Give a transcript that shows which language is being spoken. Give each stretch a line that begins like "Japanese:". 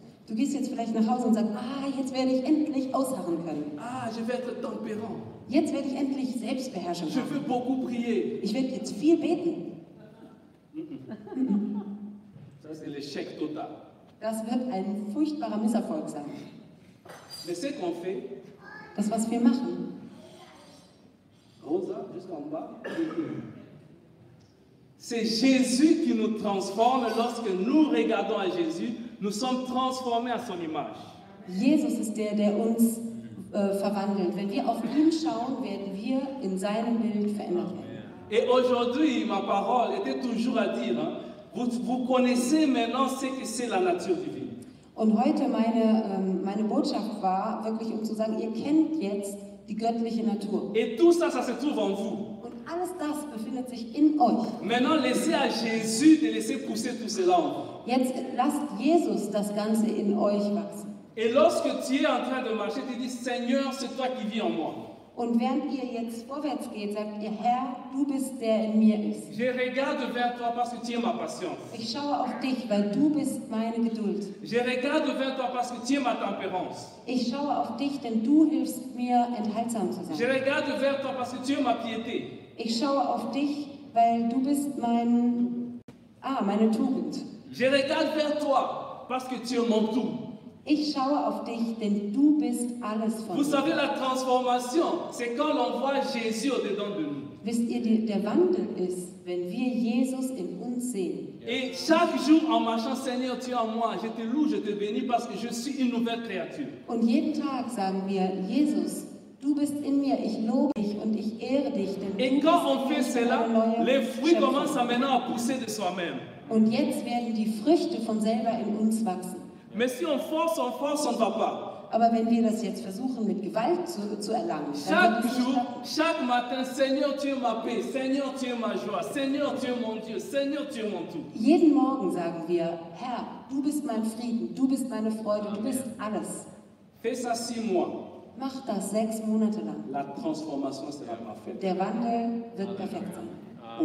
German: Du gehst jetzt vielleicht nach Hause und sagst, ah, jetzt werde ich endlich ausharren können.
French: Ah, je vais être tempérant.
German: Jetzt werde ich endlich Selbstbeherrschung haben.
French: Je veux beaucoup prier.
German: Ich werde jetzt viel beten.
French: Ça, c'est l'échec total.
German: Das wird ein furchtbarer Misserfolg sein.
French: Mais ce qu'on fait,
German: das, was wir machen,
French: Rosa jusqu'en bas, Bikini. C'est Jésus qui nous transforme. Lorsque nous regardons à Jésus, nous sommes transformés à son image.
German: Jesus ist der, der uns verwandelt. Wenn wir auf ihn schauen, werden wir in seinem Bild verändert werden.
French: Et aujourd'hui, ma parole était toujours à dire, vous connaissez maintenant ce que c'est la nature divine.
German: Und heute meine Botschaft war wirklich, um zu sagen, ihr kennt jetzt die göttliche Natur.
French: Et tout ça, ça se trouve en vous.
German: Und alles das befindet sich in euch.
French: Maintenant, laissez à Jésus de laisser pousser tout cela en vous.
German: Jetzt lasst Jesus das Ganze in euch wachsen.
French: Et lorsque tu es en train de marcher, tu dis, Seigneur, c'est toi qui vis en moi.
German: Und während ihr jetzt vorwärts geht, sagt ihr, Herr, du bist der, in mir ist.
French: Je regarde vers toi parce que tu es ma patience.
German: Ich schaue auf dich, weil du bist meine Geduld.
French: Je regarde vers toi parce que tu es ma tempérance.
German: Ich schaue auf dich, denn du hilfst mir, enthaltsam zu sein.
French: Je regarde vers toi parce que tu es ma piété.
German: Ich schaue auf dich, weil du bist meine Tugend.
French: Je regarde vers toi parce que tu es mon tout.
German: Ich schaue auf dich, denn du bist alles von
French: Vous savez, la transformation, c'est quand on voit Jésus au-dedans de nous.
German: Wisst ihr, der Wandel ist, wenn wir Jesus in uns sehen.
French: Et chaque jour en marchant, Seigneur, tu es en moi, je te loue, je te bénis, parce que je suis une nouvelle créature.
German: Und jeden Tag sagen wir, Jesus, du bist in mir, ich lobe dich und ich ehre dich, denn
French: Et
German: du
French: quand on fait cela, les fruits commencent maintenant à pousser de soi-même.
German: Und jetzt werden die Früchte von selber in uns wachsen.
French: Mais si on force, on ne va pas.
German: Aber wenn wir das jetzt versuchen, mit Gewalt zu erlangen,
French: chaque jour, chaque matin, Seigneur, tu es ma paix, Seigneur, tu es ma joie, Seigneur, tu es mon Dieu, Seigneur, tu es mon tout.
German: Jeden Morgen sagen wir, Herr, du bist mein Frieden, du bist meine Freude, Amen. Du bist alles.
French: Fais ça 6 mois.
German: Mach das 6 Monate lang.
French: La transformation sera parfaite.
German: Der Wandel wird perfekt sein.